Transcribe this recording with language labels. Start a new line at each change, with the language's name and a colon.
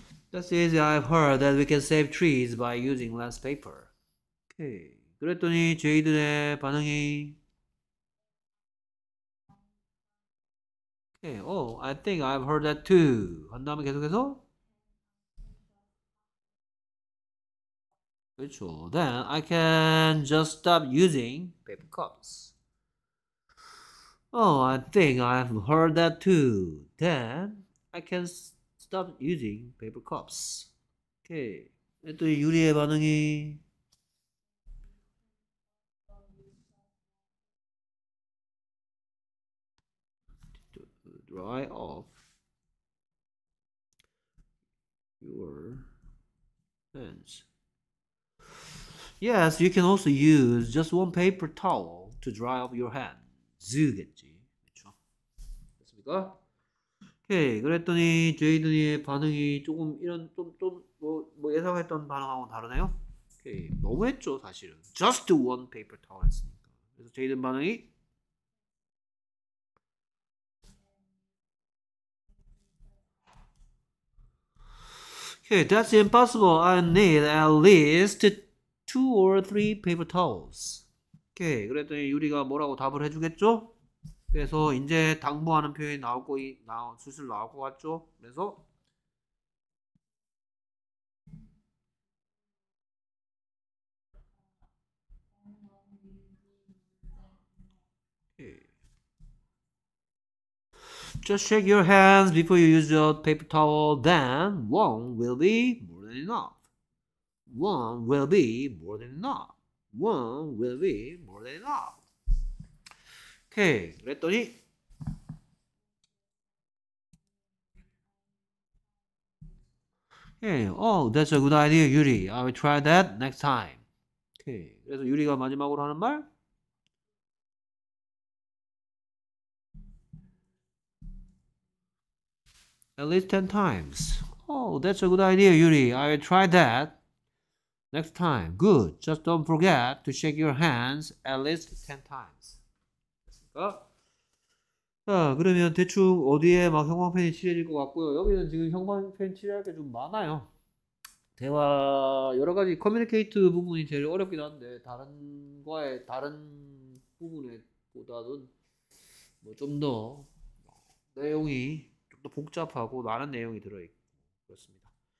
English: That's easy. I've heard that we can save trees by using less paper. 오케이,
Korean: 그랬더니 제이들의 반응이
English: 오케이, oh, I think I've heard that too.
Korean: 한 다음에 계속해서 그렇죠.
English: Then I can just stop using paper cups. Oh, I think I've heard that too. Then I can stop using paper cups. 오케이. Okay.
Korean: 또 유리의 반응이
English: dry off your hands. Yes, you can also use just one paper towel to dry off your hands.
Korean: 그렇지. 그렇죠. 됐습니까? 오케이. 그랬더니 제이든이의 반응이 조금 이런 좀뭐 예상했던 반응하고 다르네요. 오케이. 너무했죠, 사실은.
English: Just one paper towel
Korean: 했으니까. 그래서 제이든 반응이 오케이.
English: That's impossible. I need at least two or three paper towels. 오케이.
Korean: 그랬더니 유리가 뭐라고 답을 해주겠죠? 그래서 이제 당부하는 표현이 나오고 슬슬 나올 것 같죠? 그래서
English: Just shake your hands before you use your paper towel, then one will be more than enough. One will be more than enough. One will be more than enough. 오케이.
Korean: 그랬더니 오케이.
English: Oh, that's a good idea, Yuri. I will try that next time. 오케이.
Korean: 그래서 유리가 마지막으로 하는 말?
English: 10 times. Oh, that's a good idea, Yuri. I will try that. Next time, good. Just don't forget to shake your hands at least 10 times.
Korean: 됐습니까? 자, 그러면 대충 어디에 막 형광펜이 칠해질 것 같고요. 여기는 지금 형광펜 칠할 게좀 많아요. 대화, 여러 가지 커뮤니케이트 부분이 제일 어렵긴 한데, 다른 부분에 보다는 뭐좀더 내용이 좀더 복잡하고 많은 내용이 들어있고, 그렇습니다.